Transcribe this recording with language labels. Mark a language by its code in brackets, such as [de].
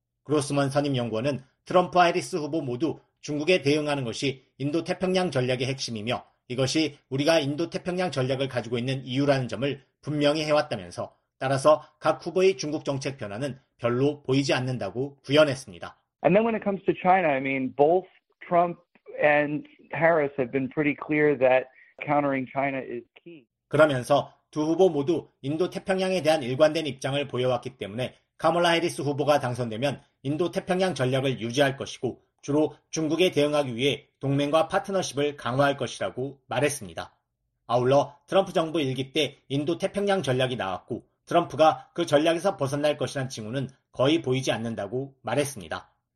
[ko] 그로스먼 선임연구원은 트럼프 해리스 후보 모두 중국에 대응하는 것이 인도태평양 전략의 핵심이며 이것이 우리가 인도태평양 전략을 가지고 있는 이유라는 점을 분명히 해왔다면서 따라서 각 후보의 중국 정책 변화는 별로 보이지 않는다고 부연했습니다. [en] And then when it comes to China, I mean, both Trump and Harris have been pretty clear that countering China is key. [ko] 그러면서 두 후보 모두 인도태평양에 대한 일관된 입장을 보여왔기 때문에 카멀라 해리스 후보가 당선되면 인도태평양 전략을 유지할 것이고 주로 중국에 대응하기 위해 동맹과 파트너십을 강화할 것이라고 말했습니다. 아울러 트럼프 정부 1기 때 인도태평양 전략이 나왔고 트럼프가 그 전략에서 벗어날 것이란 징후는 거의 보이지 않는다고 말했습니다.